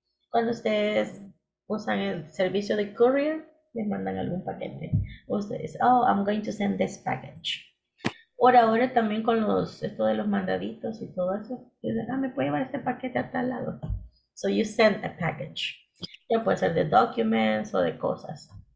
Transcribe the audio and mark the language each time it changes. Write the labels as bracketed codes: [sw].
[es] Cuando ustedes usan el servicio de courier, les mandan algún paquete. Ustedes, [en] oh, I'm going to send this package. [es] Ahora también con los, esto de los mandaditos y todo eso, dicen, ah, me puede llevar este paquete a tal lado. [en] So you send a package. [es] Ya puede ser de documents o de cosas.